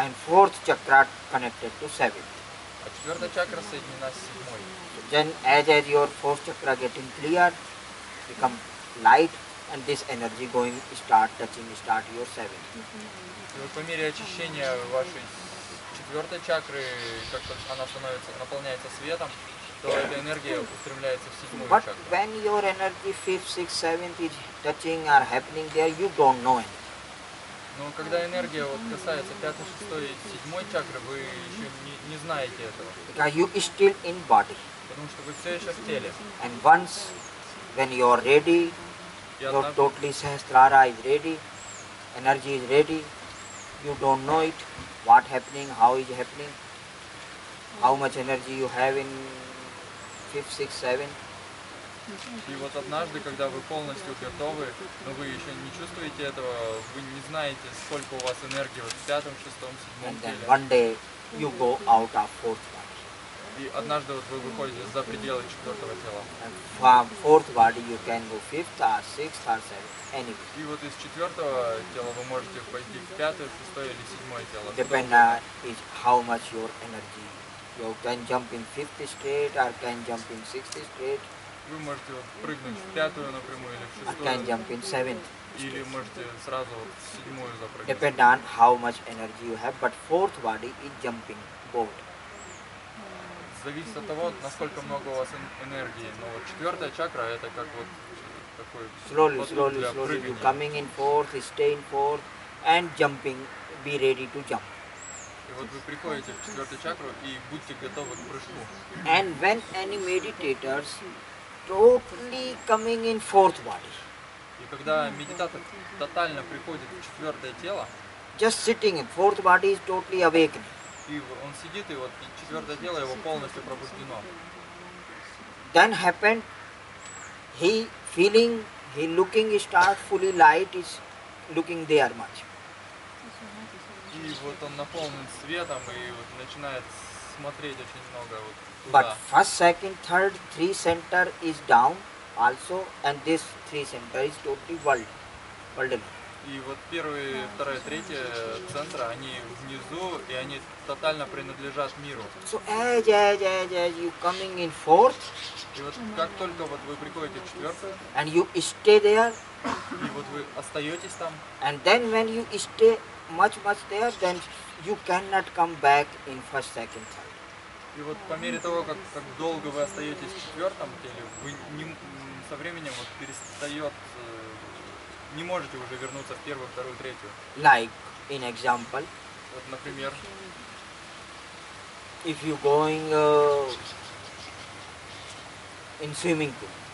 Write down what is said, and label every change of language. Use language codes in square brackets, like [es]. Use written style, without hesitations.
[en] And fourth chakra connected to seventh. [ru] А четвертая чакра соединена с седьмой. [en] Then as your fourth chakra getting clear, become light, and this energy going start touching, start your seventh. [ru] Вот по мере очищения вашей четвертой чакры, как-то она становится, наполняется светом, то эта энергия устремляется в седьмую [en] But [ru] чакру. [en] But when your energy fifth, sixth, seventh is touching or happening there, you don't know it. [ru] Но когда энергия вот касается пятой, шестой, седьмой чакры, вы еще не знаете этого. [en] Because you still in body. [ru] Потому что вы все еще в теле. [en] And once when you are ready, your totally sahasrara is ready, energy is ready. You don't know it, what happening, how is happening, how much energy you have in fifth, sixth, seventh. [ru] И вот однажды, когда вы полностью готовы, но вы еще не чувствуете этого, вы не знаете, сколько у вас энергии вот в пятом, шестом, седьмом теле. [en] And then one day you go out of fourth body. [ru] И однажды вот вы выходите за пределы четвертого тела. [en] And from fourth body you can go fifth or sixth or seventh. Anyway. [ru] И вот из четвертого тела вы можете пойти в пятое, шестое или седьмое тело. [en] Depend on is how much your energy. You can jump in fifth state or can jump in sixth state. [ru] Вы можете вот прыгнуть в пятую напрямую или в шестую. [en] Or can jump in seventh. [ru] Или можете сразу вот в седьмую запрыгнуть. [en] Depend on how much energy you have, but fourth body is jumping both. [ru] Зависит от того, насколько много у вас энергии. Но вот четвертая чакра это как вот. [en] Slowly, slowly, slowly, you coming in fourth, stay in fourth, and jumping, be ready to jump. [ru] И вот вы приходите в четвертую чакру и будьте готовы к прыжку. [en] And when any meditators totally coming in fourth body. [ru] И когда медитатор тотально приходит в четвертое тело. [en] Just sitting in fourth body is totally awakened. [ru] И он сидит, и вот четвертое тело его полностью пробуждено. [en] Then happened, he feeling, he looking start fully light is looking there much. [ru] И вот он наполнен светом и вот начинает смотреть очень много вот туда. [en] But first, second, third, three center is down also, and this three center is totally world. [ru] И И вот первые, вторые, третьи центры, они внизу, и они тотально принадлежат миру. [en] So, you coming in fourth. [ru] И вот как только вот вы приходите в четвертую. [en] And you stay there. [ru] И вот вы остаетесь там. [en] And then when you stay much there, then you cannot come back in first, second, third. [ru] И вот по мере того, как долго вы остаетесь в четвертом теле, вы не, со временем вот перестает, не можете уже вернуться в первую, вторую, третью. [en] Like in example. [ru] Вот, например. [en] If you going in swimming pool.